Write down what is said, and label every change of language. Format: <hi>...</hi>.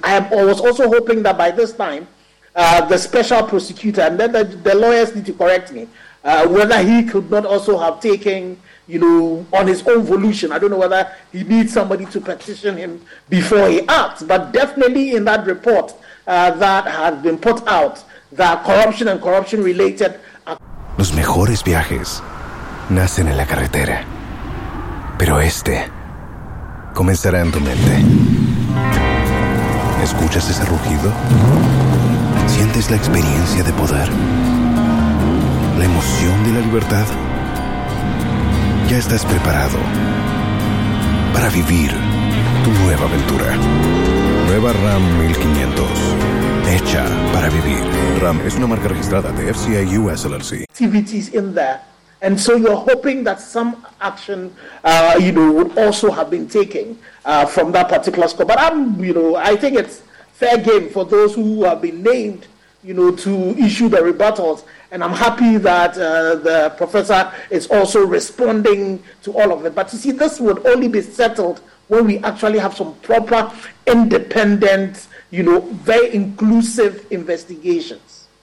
<en>I was also hoping that by this time, the special prosecutor, and then the lawyers need to correct me, whether he could not also have taken, you know, on his own volition. I don't know whether he needs somebody to petition him before he acts, but definitely in that report that has been put out, that corruption and corruption related.</en> <es>Los mejores viajes nacen en la carretera, pero este comenzará en tu mente. ¿Escuchas ese rugido? ¿Sientes la experiencia de poder? ¿La emoción de la libertad? Ya estás preparado para vivir tu nueva aventura. Nueva Ram 1500. Hecha para vivir. Ram es una marca registrada de FCA US LLC.</es> <en>Activities in there. And so you're hoping that some action, you know, would also have been taken from that particular score. But I'm, you know, I think it's fair game for those who have been named, you know, to issue the rebuttals. And I'm happy that the professor is also responding to all of it. But you see, this would only be settled when we actually have some proper, independent, you know, very inclusive investigations.</en>